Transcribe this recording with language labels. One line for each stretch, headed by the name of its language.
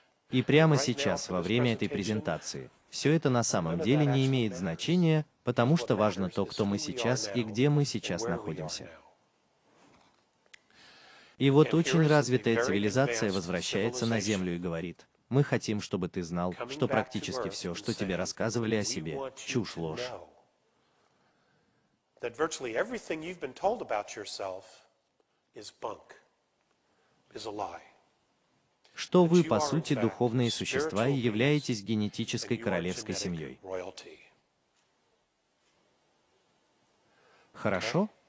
Russian: И прямо сейчас, во время этой презентации, все это на самом деле не имеет значения, потому что важно то, кто мы сейчас и где мы сейчас находимся. И вот очень развитая цивилизация возвращается на Землю и говорит: «Мы хотим, чтобы ты знал, что практически все, что тебе рассказывали о себе, чушь, ложь».
English: That virtually everything you've been told about yourself is bunk, is a lie.
Russian: Что вы, по сути, духовные существа и являетесь генетической королевской семьей. Хорошо?